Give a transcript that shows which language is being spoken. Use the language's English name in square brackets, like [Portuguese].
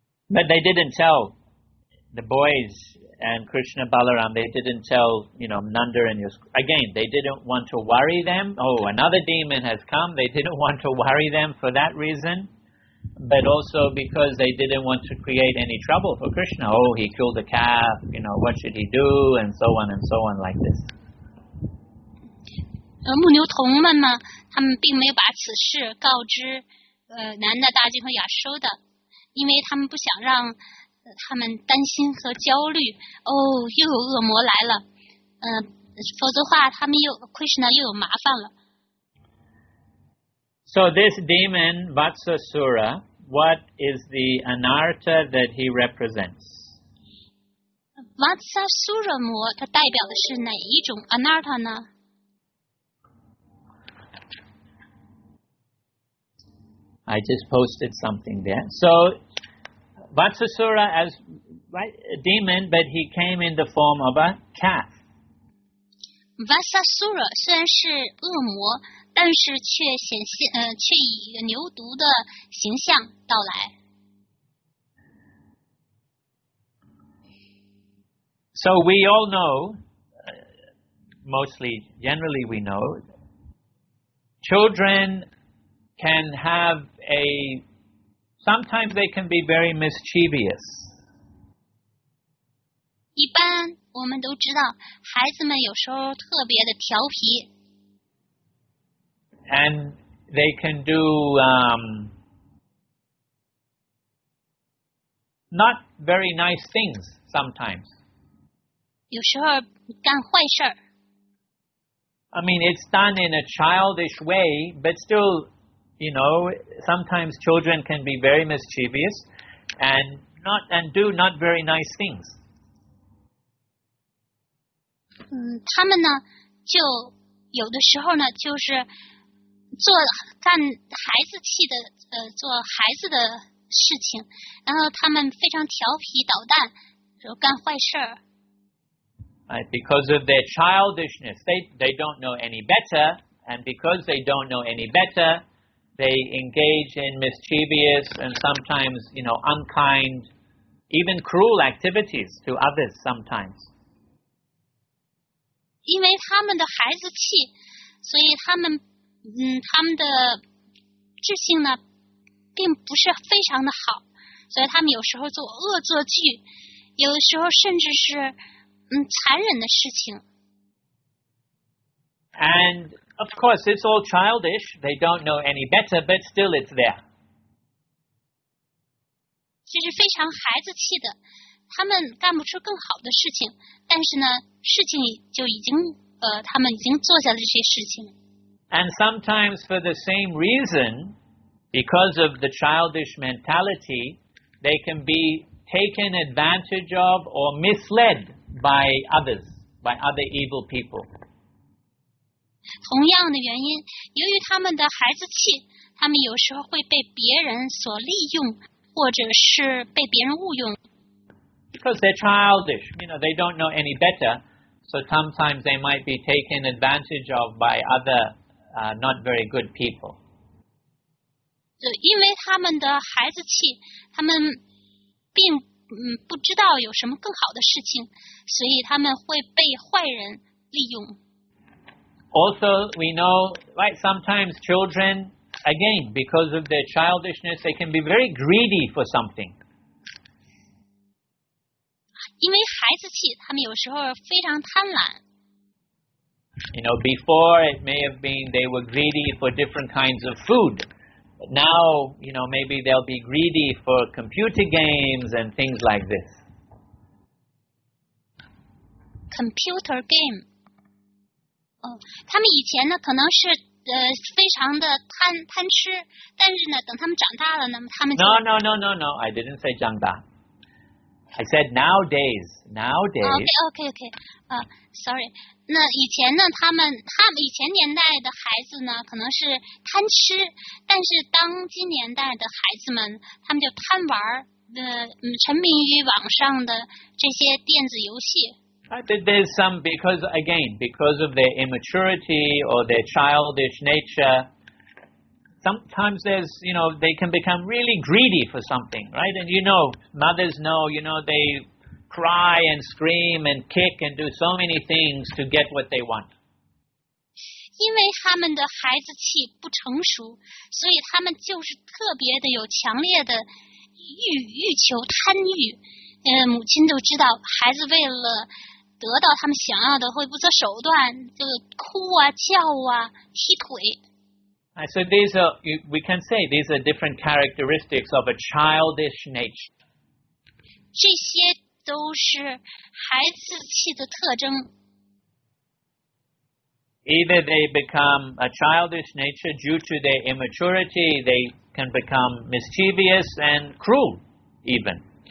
[English] But they didn't tell the boys and Krishna Balaram, they didn't tell, you know, Nanda and Yashoda. Again, they didn't want to worry them. Oh, another demon has come. They didn't want to worry them for that reason. But also because they didn't want to create any trouble for Krishna. Oh, he killed the calf, you know, what should he do? And so on like this. [Chinese] 牧牛童们呢，他们并没有把此事告知Nanda大君和亚修的。因为他们不想让他们担心和焦虑，哦，又有恶魔来了，否则话他们又 Krishna 又有麻烦了。 [English] So this demon Vatsasura, what is the anarta that he represents? [Chinese] Vatsasura 魔，它代表的是哪一种 anarta 呢？ [English] I just posted something there. So, Vatsasura as right, a demon, but he came in the form of a calf. [Chinese] Vatsasura 虽然是恶魔，但是却显现却以牛犊的形象到来。 [English] So we all know, mostly generally we know, children. Can have a. Sometimes they can be very mischievous. [Chinese] 一般我们都知道，孩子们有时候特别的调皮。 [English] and they can do not very nice things sometimes. [Chinese] 有时候干坏事。 [English] I mean, it's done in a childish way, but still, you know, sometimes children can be very mischievous and do not very nice things. [Chinese] 他们呢，就有的时候呢，就是做干孩子气的，做孩子的事情，然后他们非常调皮捣蛋，就干坏事儿。 [English] Right, because of their childishness, they don't know any better, and because they don't know any better, they engage in mischievous and sometimes, you know, unkind, even cruel activities to others sometimes. [Chinese] 因为他们的孩子气，所以他们，他们的智性呢，并不是非常的好，所以他们有时候做恶作剧，有的时候甚至是。残忍的事情。 [English] And of course, it's all childish. They don't know any better, but still, it's there. [Chinese] 这是非常孩子气的，他们干不出更好的事情。但是呢，事情就已经他们已经做下了这些事情。 [English] And sometimes, for the same reason, because of the childish mentality, they can be taken advantage of or misled. By others, by other evil people. [Chinese] 同样的原因，由于他们的孩子气，他们有时候会被别人所利用，或者是被别人误用。 [English] Because they're childish, you know, they don't know any better, so sometimes they might be taken advantage of by other, not very good people. [Chinese] 对，因为他们的孩子气，他们并。不知道有什么更好的事情，所以他们会被坏人利用。 [English] Also, we know, right, sometimes children, again, because of their childishness, they can be very greedy for something. [Chinese] 因为孩子气，他们有时候非常贪婪。 [English] You know, before it may have been they were greedy for different kinds of food. But now, you know, maybe they'll be greedy for computer games and things like this. Computer game. [Chinese] 他们以前呢可能是非常的贪吃，但是呢等他们长大了呢，他们就 [English] No. I didn't say [Chinese] 长大。 [English] I said nowadays. Nowadays. Okay. Sorry. [Chinese] 那以前呢，他们以前年代的孩子呢，可能是贪吃，但是当今年代的孩子们，他们就贪玩，沉迷于网上的这些电子游戏。 [English] But there's some because of their immaturity or their childish nature. Sometimes there's, you know, they can become really greedy for something, right? And you know, mothers know, you know, they. Cry and scream and kick and do so many things to get what they want. [Chinese] 因为他们的孩子气不成熟，所以他们就是特别的有强烈的欲求、贪欲。母亲都知道，孩子为了得到他们想要的，会不择手段，就哭啊、叫啊、踢腿。 [English] So these are, we can say these are different characteristics of a childish nature. [Chinese] 这些都是孩子气的特征。 [English] Either they become a childish nature due to their immaturity, they can become mischievous and cruel, even.